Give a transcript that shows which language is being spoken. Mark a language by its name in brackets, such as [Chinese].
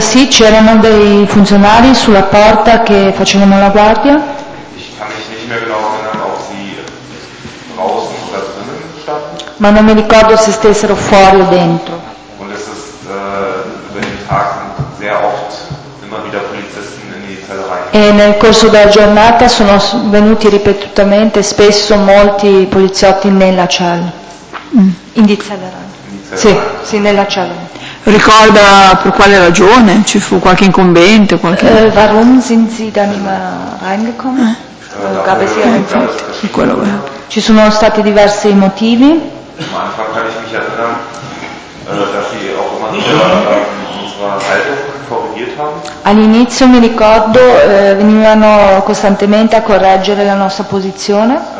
[Italian] Sì, c'erano dei funzionari sulla porta che facevano la guardia. [German] Ich kann mich nicht mehr genau erinnern, ob sie draußen oder drinnen standen. [Italian] Ma non mi ricordo se stessero fuori o dentro. [German] Und es ist über den Tag sehr oft immer wieder Polizisten in die Zelle rein. [Italian] E nel corso della giornata sono venuti ripetutamente spesso molti poliziotti nella cella. [German] In die Zelle rein. [Italian] Sì, nella cella. Ricorda per quale ragione? Ci fu qualche incombente? [German] Warum sind Sie dann immer reingekommen? Gab es hier einen Grund? [Italian] Quello, beh. Ci sono stati diversi motivi. [German] Am Anfang kann ich mich erinnern, dass Sie auch immer wieder unsere Haltung korrigiert haben. [Italian] All'inizio mi ricordo, venivano costantemente a correggere la nostra posizione.